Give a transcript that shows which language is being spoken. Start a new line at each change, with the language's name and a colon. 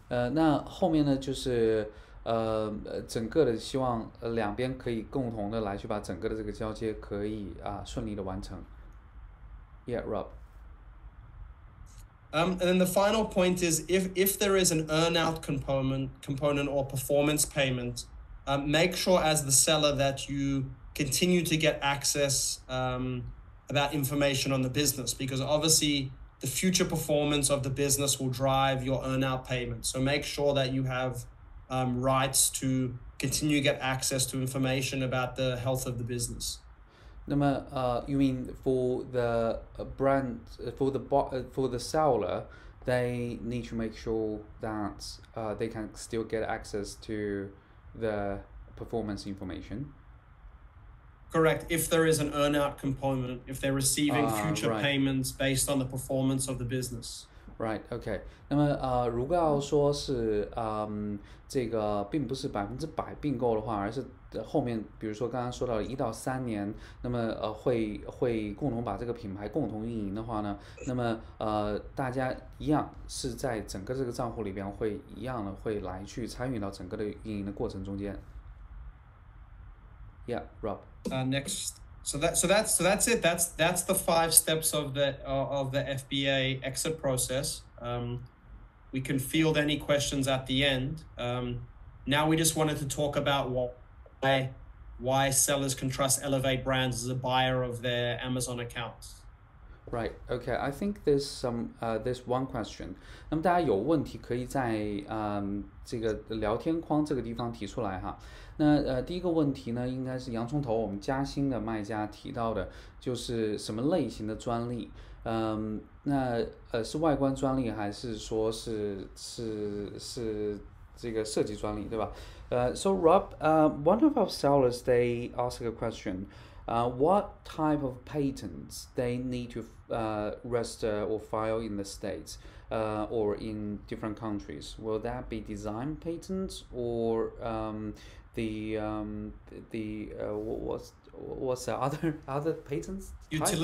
Chinese: 那后面呢，就是整个的希望两边可以共同的来去把整个的这个交接可以顺利的完成。
English: Yeah，Rob。 And then the final point is if there is an earn-out component or performance payment, make sure as the seller that you continue to get access about information on the business, because obviously the future performance of the business will drive your earn-out payment. So make sure that you have rights to continue to get access to information about the health of the business. No, you mean for the brand, for the seller, they need to make sure that they can still get access to the performance information. Correct. If there is an earn-out component, if they're receiving future payments based on the performance of the business.
Chinese: 那么如果要说是这个并不是100%并购的话，而是后面比如说刚刚说到1到3年，那么会共同把这个品牌共同运营的话呢，那么大家一样是在整个这个账户里边会一样的会来去参与到整个的运营的过程中间。
English: Yeah，Rob。 Next, so that's it. That's the 5 steps of the FBA exit process. We can field any questions at the end. Now we just wanted to talk about why sellers can trust Elevate Brands as a buyer of their Amazon accounts. I think there's there's one question。
Chinese: 那么大家有问题可以在这个聊天框这个地方提出来哈。那第一个问题呢，应该是洋葱头，我们嘉兴的卖家提到的，就是什么类型的专利？那是外观专利还是说是这个设计专利，对吧？
English: So Rob, one of our sellers they ask a question。 What type of patents they need to register or file in the States or in different countries? Will that be design patents or what's the other patents type?